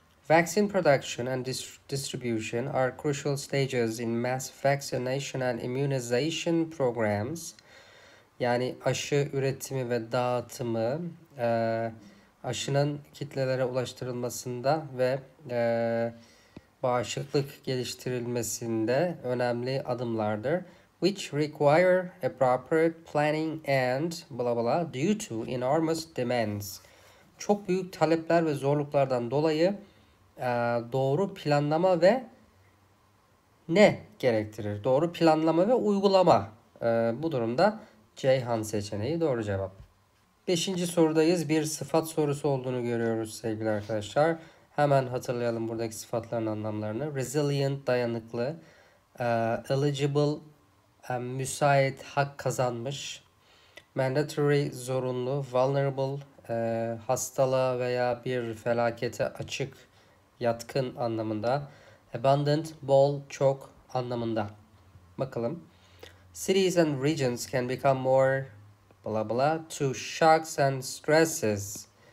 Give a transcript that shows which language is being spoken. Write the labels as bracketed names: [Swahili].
[English] Vaccine production and distribution are crucial stages in mass vaccination and immunization programs. [Turkish] Yani aşı üretimi ve dağıtımı, aşının kitlelere ulaştırılmasında ve bağışıklık geliştirilmesinde önemli adımlardır. [English] Which require appropriate planning and blah blah due to enormous demands. [Turkish] Çok büyük talepler ve zorluklardan dolayı doğru planlama ve ne gerektirir? Doğru planlama ve uygulama. Bu durumda Ceyhan seçeneği doğru cevap. Beşinci sorudayız. Bir sıfat sorusu olduğunu görüyoruz sevgili arkadaşlar. Hemen hatırlayalım buradaki sıfatların anlamlarını. Resilient, dayanıklı. Eligible, müsait, hak kazanmış. Mandatory, zorunlu. Vulnerable, hastalığa veya bir felakete açık, yatkın anlamında. Abundant, bol, çok anlamında. Bakalım. [English] Cities and regions can become more blah blah to shocks and stresses.